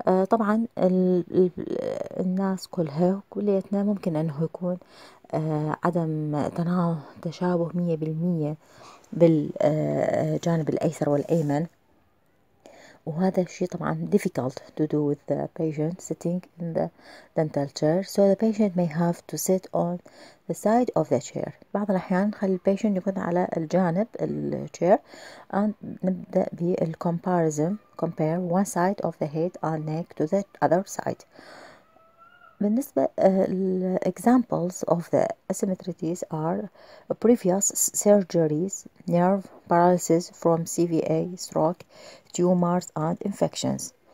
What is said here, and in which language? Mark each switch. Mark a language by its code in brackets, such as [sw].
[ar] طبعا الناس كلها كليتنا ممكن أنه يكون عدم تشابه 100% بالجانب الأيسر والأيمن، وهذا الشيء طبعا [en] difficult to do with the patient sitting in the dental chair. So the patient may have to sit on the side of the chair. [ar] بعض الأحيان نخلي البيشنت يكون على الجانب الشير، نبدأ بالcomparison [en] compare one side of the head and neck to the other side. بالنسبة examples of the asymmetries are previous surgeries, nerve paralysis from CVA, stroke, tumors and infections.